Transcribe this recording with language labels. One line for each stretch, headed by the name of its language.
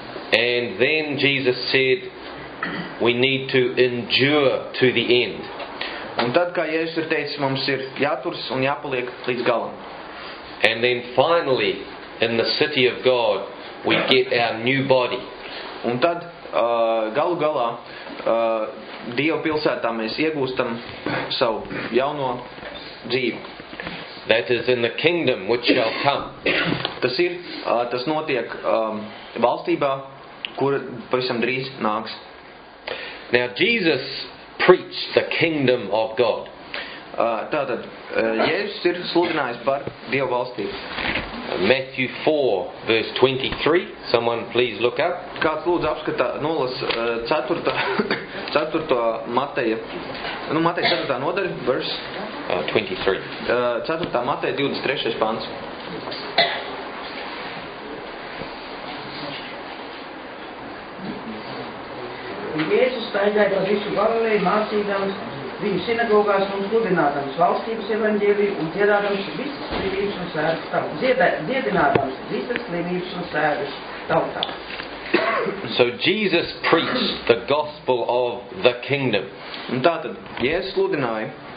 English: And then Jesus said, we need to endure to the end.
Latvian: Un tad, kā Jēzus ir teicis, mums ir jāturs un jāpaliek līdz galam.
English: And then finally, in the city of God, we get our new body.
Latvian: Un tad, galu galā, Dieva pilsētā mēs iegūstam savu jauno dzīvi.
English: That is in the kingdom which shall come.
Latvian: Tas ir, tas notiek valstībā, kur pavisam drīz nāks.
English: Now Jesus preached the kingdom of God.
Latvian: Tātad, Jēzus ir sludinājis par Dieva valstību.
English: Matthew 4:23. Someone please look up.
Latvian: Kāds lūdzu apskatā, nolas 4. Mateja. Nu, Mateja 4. Nodaļa, verse 23. 4. Mateja 23. Pants. Jēzus staigāja pa visu Galileju mācīdams viņu sinagogās un sludinādams valstības evaņģēliju un dziedādams visas slimības un sēdus dziedinādams visas slimības un sēdus tautā.
English: So Jesus preached the gospel of the kingdom.
Latvian: Un tātad Jēzus sludināja.